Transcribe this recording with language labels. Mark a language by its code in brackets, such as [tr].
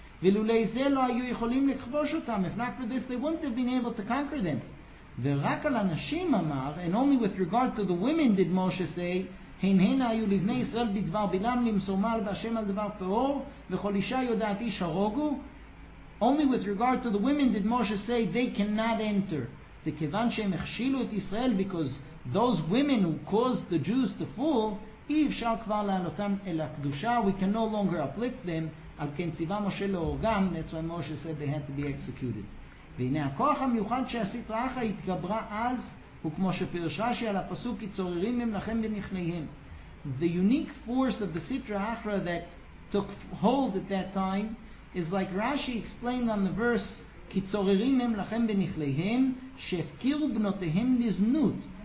[he] ולולי זה לא היו יכולים לכבוש אותם. [en] If not for this, they wouldn't have been able to conquer them. [he] ורק על הנשים אמר, [en] and only with regard to the women did Moshe say, [he] הן הן היו לבני ישראל בדבר בלם למסור מעל והשם על דבר פאור, וכל אישה יודעת איש הרוגו. [en] Only with regard to the women did Moshe say, they cannot enter. [he] וכיוון שהם הכשילו את ישראל, [en] because those women who caused the Jews to fall, [he] אי אפשר כבר להעלותם אל הקדושה, [en] we can no longer uplift them, [he] על כן ציווה משה להורגם, [en] that's why Moshe said they had to be executed. [he] והנה הכוח המיוחד שעשית רעך התגברה אז, הוא כמו שפרש רשי על הפסוק, כי צוררים הם לכם ונכניהם. [en] The unique force of the Sitra Achra that took hold at that time is like Rashi explained on the verse, [he] כי צוררים הם לכם ונכניהם, שהפקירו בנותיהם לזנות.